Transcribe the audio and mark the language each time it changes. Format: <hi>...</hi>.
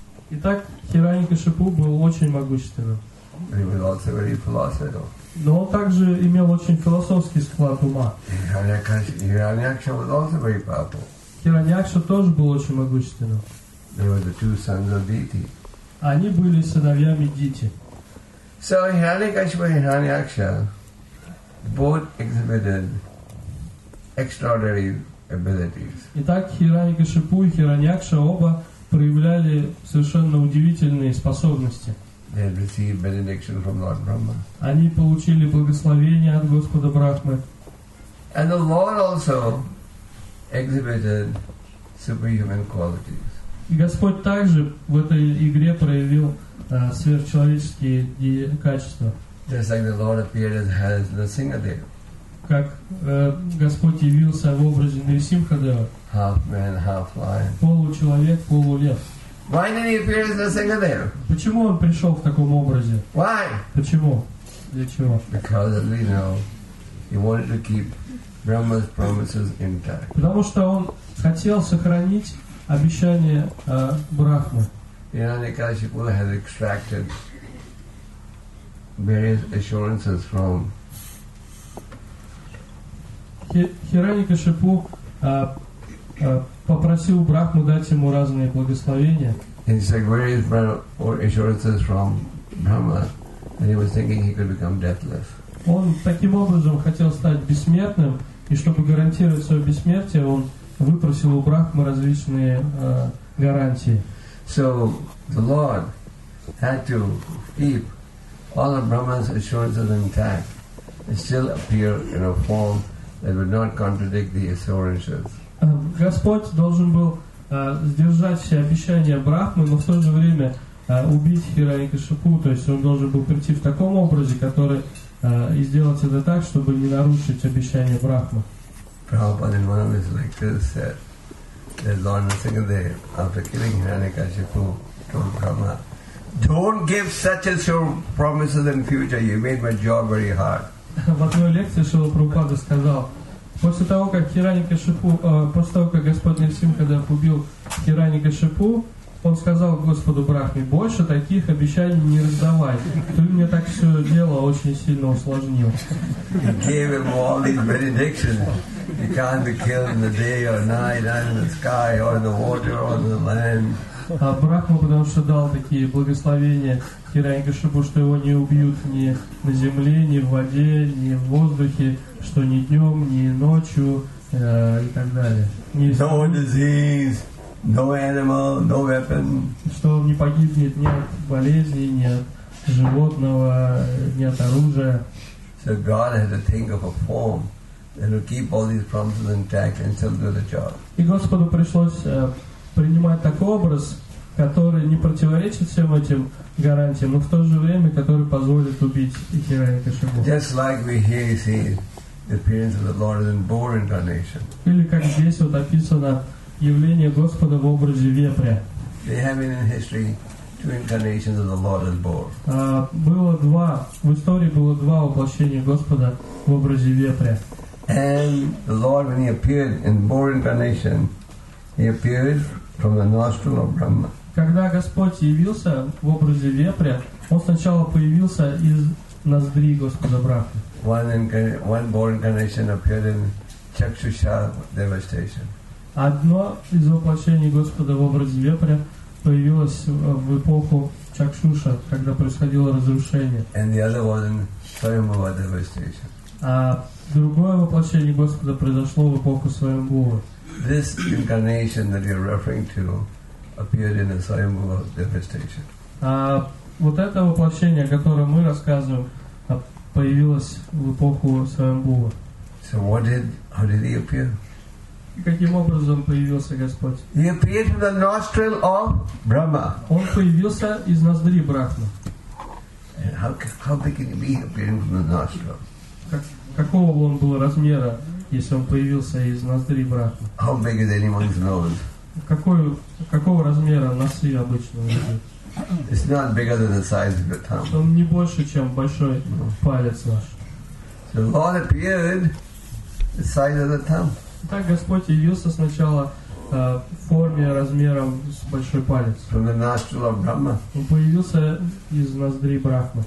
<ru>Итак, Хиранья-Кашипу был очень могущественным.</ru> <en>He was also very philosophical.</en> <ru>Но он также имел очень философский склад ума.</ru> <en>Hiranyaksha was also very powerful.</en> <ru>Хиранья-Кашипу тоже был очень могущественным.</ru> <en>They were the two sons of Diti.</en> <ru>Они были сыновьями Дити.</ru> <en>So Hiranya-Kashipu and Hiranyaksha both exhibited extraordinary abilities.</en> <ru>Итак, Хиранья-Кашипу и Хиранья-Кашипу оба проявляли совершенно удивительные способности.</ru> <en>They had received benediction from Lord Brahma.</en> <ru>Они получили благословение от Господа Брахмы.</ru> <en>And the Lord also exhibited superhuman qualities.</en> <ru>И Господь также в этой игре проявил сверхчеловеческие качества.</ru> <en>Just like the Lord appeared as Nrisimhadeva.</en> <ru>Как Господь явился в образе Нрисимхадева.</ru> <en>Half man, half lion.</en> <ru>Получеловек, полулев.</ru> <en>Why did he appear as a singer there?</en> <ru>Почему он пришел в таком образе?</ru> <en>Why?</en> <ru>Почему? Для чего?</ru> <en>Because, as we know, he wanted to keep Brahma's promises intact.</en> <ru>Потому что он хотел сохранить обещание Брахмы.</ru> <en>Hiranya-Kashipu had extracted various assurances from.</en> <ru>Hiranya-Kashipu попросил Брахму дать ему разные благословения.</ru> <en>And he said, where is Brahma, or assurances from Brahma? And he was thinking he could become deathless.</en> <ru>Он таким образом хотел стать бессмертным, и чтобы гарантировать свое бессмертие, он выпросил у Брахмы различные гарантии.</ru> <en>So the Lord had to keep all of Brahma's assurances intact and still appear in a form that would not contradict the assurances.</en> <ru>Господь должен был сдержать все обещания Брахмы, но в то же время убить Хиранья-Кашипу, то есть он должен был прийти в таком образе, который и сделать это так, чтобы не нарушить обещания Брахмы.</ru> <en>Prabhupada in one of his lectures said that Lord Nrisimhadeva, after killing Hiranya-Kashipu, told Brahma, don't give such and so promises in future, you made my job very hard.</en> <ru>В одной лекции Шрила Прабхупада сказал, после того, как Хиранья-Кашипу, после того, как Господь Нрисимхадев убил Хиранья-Кашипу, он сказал Господу Брахме, больше таких обещаний не раздавай. Ты мне так все дело очень сильно усложнил.</ru> <en>He gave him all these benedictions. You can't be killed in the day or night, or in the sky, or in the water, or in the land.</en> <ru>А Брахма, потому что дал такие благословения Хиранья-Кашипу, что его не убьют ни на земле, ни в воде, ни в воздухе, что ни днем, ни ночью, и так далее.</ru> <en>No disease, no animal, no weapon.</en> <ru>Что не погибнет ни от болезни, ни от животного, ни от оружия.</ru> <en>So God had to think of a form that would keep all these promises intact and still do the job.</en> <ru>И Господу пришлось принимать такой образ, который не противоречит всем этим гарантиям, но в то же время, который позволит убить Хирояки Шибу.</ru> <en>Just like we hear, you see, the appearance of the Lord is in boar incarnation.</en> <ru>Или как здесь вот описано явление Господа в образе вепря.</ru> <en>There have been in history two incarnations of the Lord as boar.</en> <ru>Было два в истории было два воплощения Господа в образе вепря.</ru> <en>And the Lord, when he appeared in boar incarnation, he appeared from the nostril of Brahma.</en> <ru>Когда Господь явился в образе вепря, он сначала появился из ноздри Господа Брахмы.</ru> <en>One boar incarnation appeared in Chakshusha devastation.</en> <ru>Одно из воплощений Господа в образе вепря появилось в эпоху Чакшуша, когда происходило разрушение.</ru> <en>And the other was in Swayambhuva devastation.</en> <ru>А другое воплощение Господа произошло в эпоху Свайамбхува.</ru> <en>This incarnation that you're referring to appeared in the Swayambhuva devastation.</en> <ru>Вот это воплощение, о котором мы рассказываем, появилось в эпоху Свайамбхува.</ru> <en>So what did, how did he appear?</en> <ru>Каким образом появился Господь?</ru> <en>He appeared from the nostril of Brahma.</en> <ru>Он появился из ноздри Брахмы.</ru> <en>And how big can he be appearing from the nostril?</en> <ru>Какого он был размера, если он появился из ноздри Брахмы?</ru> <en>How big is anyone's nose?</en> <ru>Какого размера носы обычно?</ru> <en>It's not bigger than the size of your thumb.</en> <ru>Он не больше, чем большой палец наш.</ru> <en>So Lord appeared the size of the thumb.</en> <ru>Так Господь явился сначала в форме размером с большой палец.</ru> <en>From the nostril of Brahma.</en> <ru>Он появился из ноздри Брахмы.</ru>